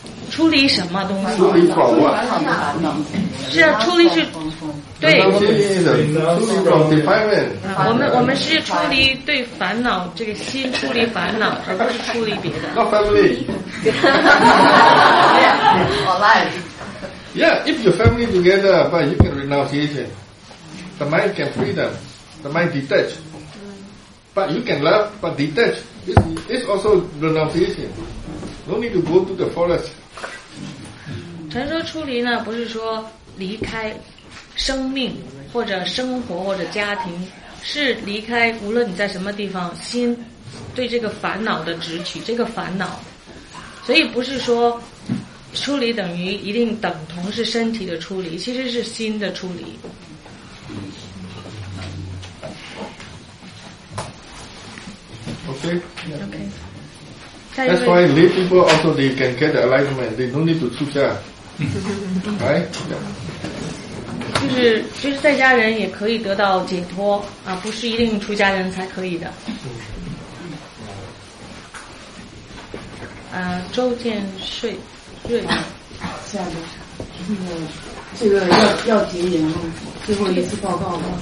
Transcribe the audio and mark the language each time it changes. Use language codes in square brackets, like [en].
[zh] 出离什么东西？出离什么？是啊，出离是，对，我们是出离对烦恼，这个心出离烦恼，而不是出离别的。 [en] Not family. Alive. Yeah, if your family together, but you can renunciation, the mind can freedom. the mind detached. But you can love, but detach. It's also renunciation. No need to go to the forest. [zh] 禅说出离呢，不是说离开生命或者生活或者家庭，是离开无论你在什么地方，心对这个烦恼的执取，这个烦恼。所以不是说出离等于一定等同是身体的出离，其实是心的出离。 [en] Okay. That's why lay people also they can get the enlightenment. They don't need to chuja, right? Yeah. [zh] 就是在家人也可以得到解脱啊，不是一定出家人才可以的。周建瑞，瑞。下一个，这个要提名最后一次报告吗？